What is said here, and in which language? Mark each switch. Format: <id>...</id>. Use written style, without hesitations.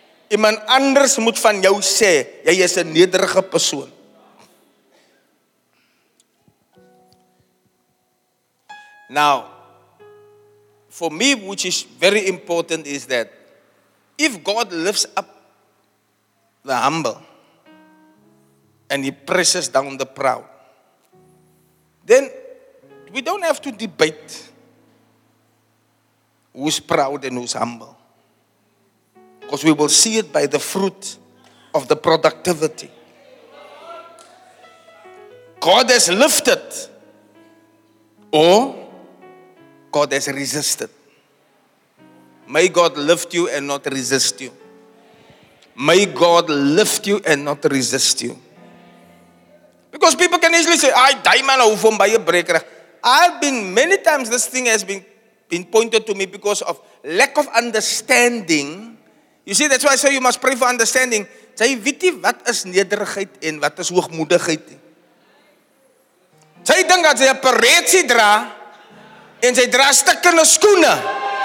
<af>Iemand anders moet van jou sê, jy is 'n nederige persoon.</af> <en>Now, for me, which is very important, is that if God lifts up the humble and he presses down the proud, then we don't have to debate who's proud and who's humble. Because we will see it by the fruit of the productivity. God has lifted or God has resisted. May God lift you and not resist you. May God lift you and not resist you. Because people can easily say, I die man over from by a breaker. I've been many times this thing has been pointed to me because of lack of understanding. You see, that's why I say you must pray for understanding.</en> <af>Say, weet jy wat is nederigheid en wat is hoogmoedigheid? Say, dink dat jy 'n paretsie dra en jy dra stikkende skoene.</af>